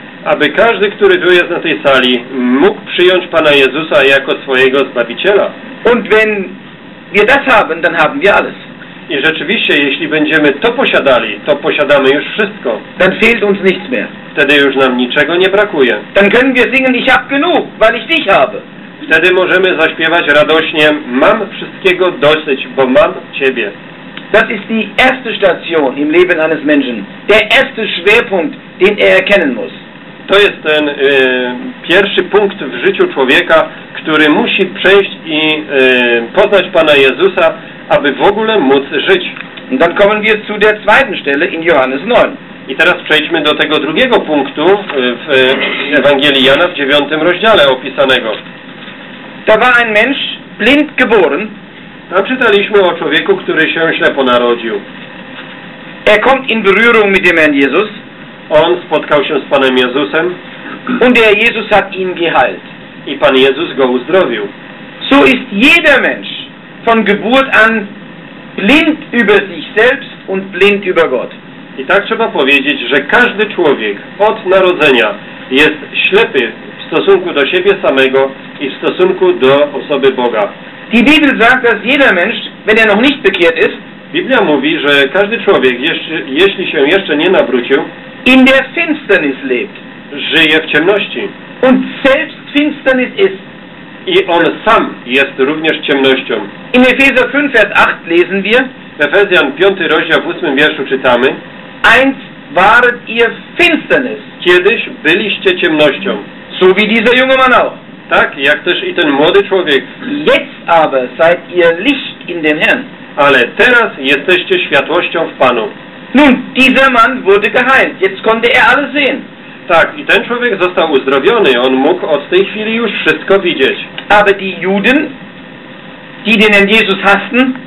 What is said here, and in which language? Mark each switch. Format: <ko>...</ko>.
<pl>Aby każdy, który tu jest na tej sali, mógł przyjąć Pana Jezusa jako swojego Zbawiciela.</pl> <de>Und wenn wir das haben, dann haben wir alles.</de> <pl>I rzeczywiście, jeśli będziemy to posiadali, to posiadamy już wszystko.</pl> <de>Dann fehlt uns nichts mehr.</de> <pl>Wtedy już nam niczego nie brakuje.</pl> <de>Dann können wir singen, ich hab genug, weil ich dich habe.</de> <pl>Wtedy możemy zaśpiewać radośnie, mam wszystkiego dosyć, bo mam Ciebie.</pl> <de>Das ist die erste Station im Leben eines Menschen. Der erste Schwerpunkt, den er erkennen muss.</de> <pl>To jest ten pierwszy punkt w życiu człowieka, który musi przejść i poznać Pana Jezusa, aby w ogóle móc żyć.</pl> <de>Und dann kommen wir zu der zweiten Stelle in Johannes 9.</de> <pl>I teraz przejdźmy do tego drugiego punktu w Ewangelii Jana w 9 rozdziale opisanego.</pl> <de>Da war ein Mensch blind geboren.</de> <pl>Tam czytaliśmy o człowieku, który się ślepo narodził.</pl> <de>Er kommt in Berührung mit dem Herrn Jesus.</de> <pl>On spotkał się z Panem Jezusem.</pl> <de>Und der Jesus hat ihn geheilt.</de> <pl>I Pan Jezus go uzdrowił.</pl> <de>So ist jeder Mensch von Geburt an blind über sich selbst und blind über Gott.</de> <pl>I tak trzeba powiedzieć, że każdy człowiek od narodzenia jest ślepy w stosunku do siebie samego i w stosunku do osoby Boga.</pl> <de>Die Bibel sagt, dass jeder Mensch, wenn er noch nicht bekehrt ist,</de> <pl>Biblia mówi, że każdy człowiek, jeśli się jeszcze nie nawrócił,</pl> <de>in der Finsternis lebt.</de> <pl>Żyje w ciemności.</pl> <de>Und selbst Finsternis ist.</de> <pl>I on sam jest również ciemnością.</pl> <de>In Epheser 5, Vers 8 lesen wir.</de> <pl>W Efezjan 5, rozdział 8 wierszu czytamy.</pl> <de>Einst waret ihr Finsternis.</de> <pl>Kiedyś byliście ciemnością.</pl> <de>So wie dieser junge Mann auch.</de> <pl>Tak, jak też i ten młody człowiek.</pl> <de>Jetzt aber seid ihr Licht in dem Herrn.</de> <pl>Ale teraz jesteście światłością w Panu.</pl> <de>Nun, dieser Mann wurde geheilt. Jetzt konnte er alles sehen.</de> <pl>Tak, i ten człowiek został uzdrowiony. On mógł od tej chwili już wszystko widzieć.</pl> <de>Aber die Juden, die den Herrn Jesus hassten,</de>